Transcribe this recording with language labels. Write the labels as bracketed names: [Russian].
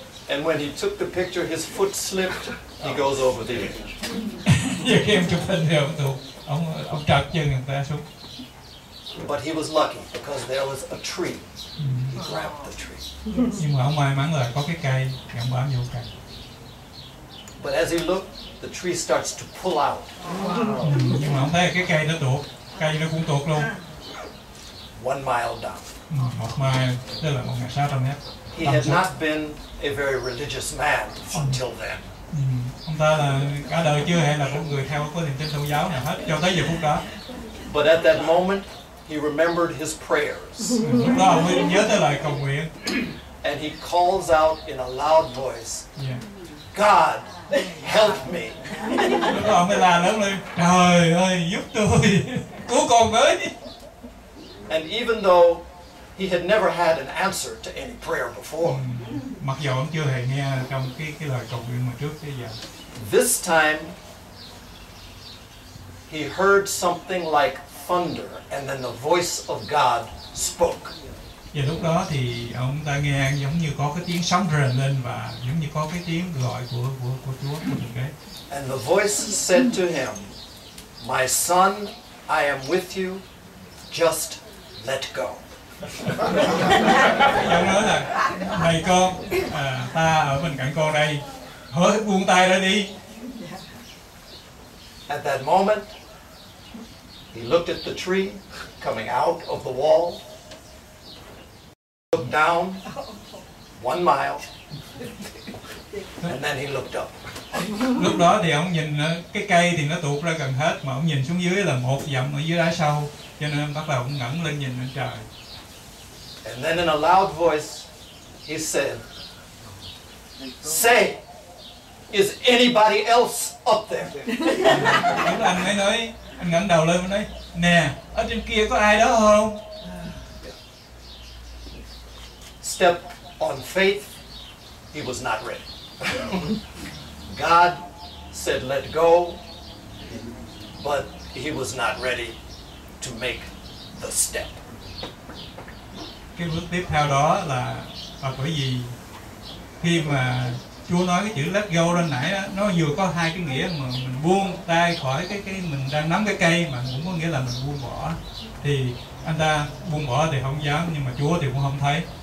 [English] And when he took the picture, his foot slipped, he goes over the edge. [Vietnamese] Khi ông chụp hình thì ông trật chân người ta xuống. [English] But he was lucky because there was a tree. He grabbed the tree. [Vietnamese] Nhưng mà ông may mắn là có cái cây, ông bám vô cây. [English] But as he looked, the tree starts to pull out. [Vietnamese] Nhưng mà ông thấy cái cây nó tuột, cây nó cũng tuột luôn. [English] 1 mile down. [Vietnamese] Một mile, tức là 1,600 mét. [English] He had not been a very religious man until then. [Vietnamese] Ông ta là cả đời chưa hề là một người theo có niềm tin tôn giáo nào hết cho tới giờ phút đó. [English] But at that moment, he remembered his prayers. [Vietnamese] Lúc đó ông mới nhớ tới lời cầu nguyện. [English] And he calls out in a loud voice, yeah. God, help me. [Vietnamese] Lúc đó ông mới la lớn lên, trời ơi, giúp tôi, cứu con với. [English] And even though he had never had an answer to any prayer before, [Vietnamese] mặc dù ông chưa hề nghe trong cái lời cầu nguyện mà trước tới giờ, [English] this time he heard something like thunder, and then the voice of God spoke. [Vietnamese] Và lúc đó thì ông ta nghe giống như có cái tiếng sấm rền lên và giống như có cái tiếng gọi của Chúa những cái. [English] And the voice said to him, "My son, I am with you. Just let go." [Vietnamese] Ông nói là, này con, ta ở bên cạnh con đây, hỡi buông tay ra đi. [English] At that moment, he looked at the tree coming out of the wall, looked down 1 mile, and then he looked up. [Vietnamese] Lúc đó thì ông nhìn cái cây thì nó tuột ra gần hết, mà ông nhìn xuống dưới là một dặm ở dưới đá sâu, cho nên ông bắt đầu ông ngẩng lên nhìn lên trời. [English] And then in a loud voice, he said, "Say, is anybody else up there?" [Vietnamese] Anh ấy nói, anh ngẩng đầu lên và nói, nè, ở trên kia có ai đó không? [English] Step on faith, he was not ready. God said, "Let go," but he was not ready to make the step. [Vietnamese] Cái bước tiếp theo đó là bởi vì khi mà Chúa nói cái chữ [English] let go [Vietnamese] lên nãy đó, nó vừa có hai cái nghĩa mà mình buông tay khỏi cái mình đang nắm cái cây mà cũng có nghĩa là mình buông bỏ. Thì anh ta buông bỏ thì không dám, nhưng mà Chúa thì cũng không thấy.